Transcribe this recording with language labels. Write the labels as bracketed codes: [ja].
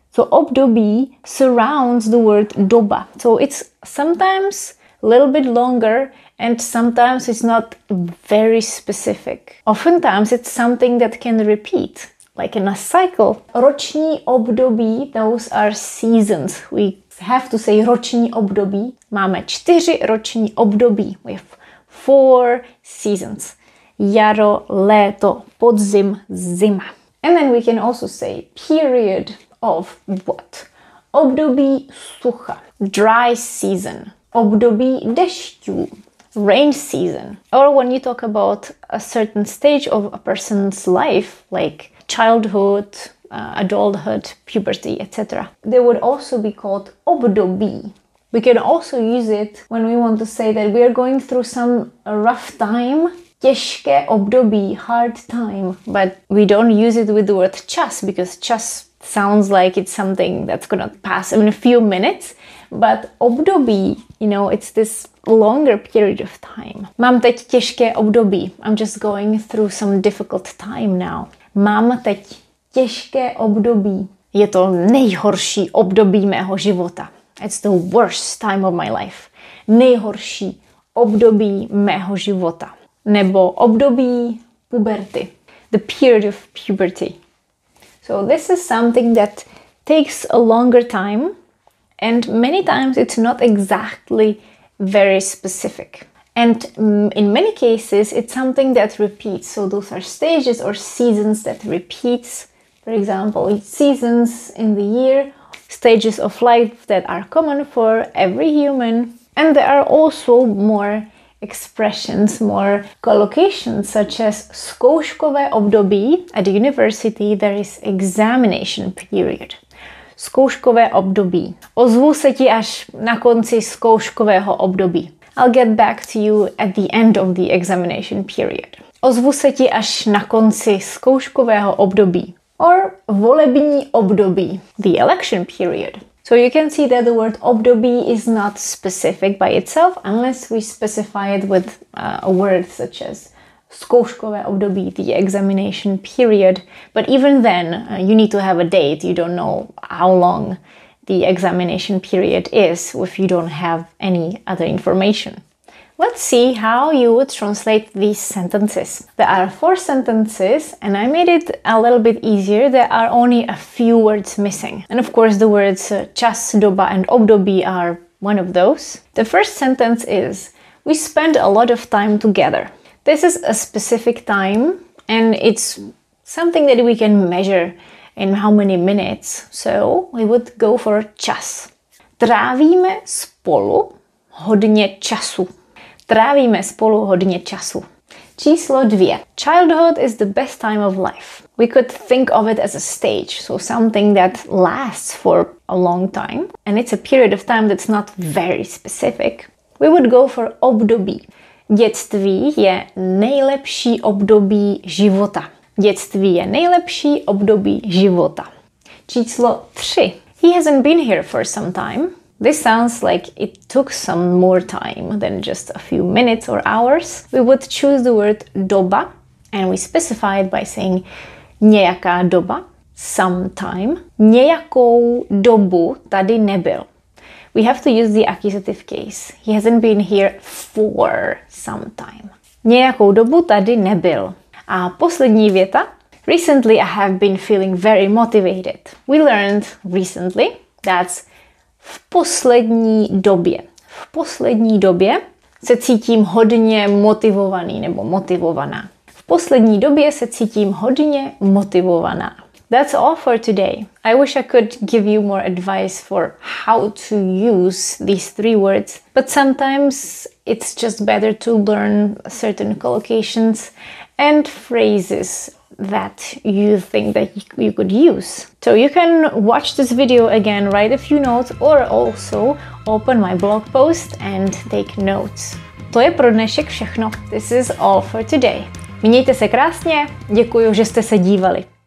[en] So období surrounds the word doba. So it's sometimes a little bit longer And sometimes it's not very specific. Oftentimes it's something that can repeat, like in a cycle. [cs] Roční období, [en] those are seasons. We have to say [cs] roční období. Máme čtyři roční období. [en] We have four seasons. [cs] Jaro, léto, podzim, zima. [en] And then we can also say period of what? [cs] Období sucha, [en] dry season. [cs] Období dešťů, [en] rain season. Or when you talk about a certain stage of a person's life, like childhood, adulthood, puberty, etc. They would also be called období. We can also use it when we want to say that we are going through some rough time. Těžké období, hard time. But we don't use it with the word čas, because čas sounds like it's something that's gonna pass in a few minutes. But období, you know, it's this longer period of time. [cs] Mám teď těžké období. [en] I'm just going through some difficult time now. [cs] Mám teď těžké období. Je to nejhorší období mého života. [en] It's the worst time of my life. [cs] Nejhorší období mého života. Nebo období puberty. [en] The period of puberty. So this is something that takes a longer time. And many times it's not exactly very specific. And in many cases, it's something that repeats. So those are stages or seasons that repeats. For example, seasons in the year, stages of life that are common for every human. And there are also more expressions, more collocations, such as [cs] zkouškové období. [en] At university, there is examination period. [cs] Zkouškové období. Ozvu se ti až na konci zkouškového období. [en] I'll get back to you at the end of the examination period. [cs] Ozvu se ti až na konci zkouškového období. Or volební období. [en] The election period. So you can see that the word období is not specific by itself unless we specify it with a word such as zkouškové období, the examination period. But even then, you need to have a date. You don't know how long the examination period is if you don't have any other information. Let's see how you would translate these sentences. There are four sentences and I made it a little bit easier. There are only a few words missing. And of course the words čas, doba and období are one of those. The first sentence is, we spend a lot of time together. This is a specific time and it's something that we can measure in how many minutes. So we would go for čas. [cs] Trávíme spolu hodně času. Trávíme spolu hodně času. Číslo dvě. [en] Childhood is the best time of life. We could think of it as a stage, so something that lasts for a long time. And it's a period of time that's not very specific. We would go for období. [cs] Dětství je nejlepší období života. Dětství je nejlepší období života. Číslo tři. [en] He hasn't been here for some time. This sounds like it took some more time than just a few minutes or hours. We would choose the word doba and we specify it by saying nějaká doba, some time. [cs] Nějakou dobu tady nebyl. [en] We have to use the accusative case. He hasn't been here for some time. [cs] Nějakou dobu tady nebyl. A poslední věta. [en] Recently I have been feeling very motivated. We learned recently that's [cs] v poslední době. V poslední době se cítím hodně motivovaný nebo motivovaná. V poslední době se cítím hodně motivovaná. [en] That's all for today. I wish I could give you more advice for how to use these three words, but sometimes it's just better to learn certain collocations and phrases that you think that you could use. So you can watch this video again, write a few notes, or also open my blog post and take notes. [cs] To je pro dnešek všechno. [en] This is all for today. [cs] Mějte se krásně, děkuji, že jste se dívali.